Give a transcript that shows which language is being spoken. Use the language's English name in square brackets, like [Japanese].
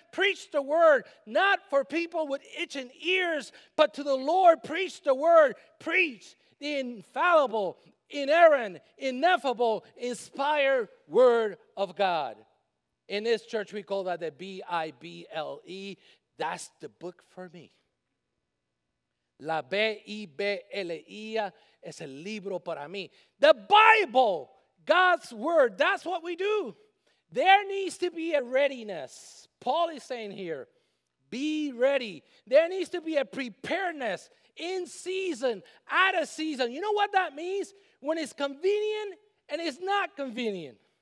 [English] Preach the word, not for people with itching ears, but to the Lord. Preach the word. Preach the infallible, inerrant, ineffable, inspired word of God." In this church, we call that the B-I-B-L-E. That's the book for me. [Spanish] La B-I-B-L-E es el libro para mí. [English] The Bible, God's word, that's what we do. There needs to be a readiness. Paul is saying here, be ready. There needs to be a preparedness. In season, out of season. You know what that means? When it's convenient and it's not convenient.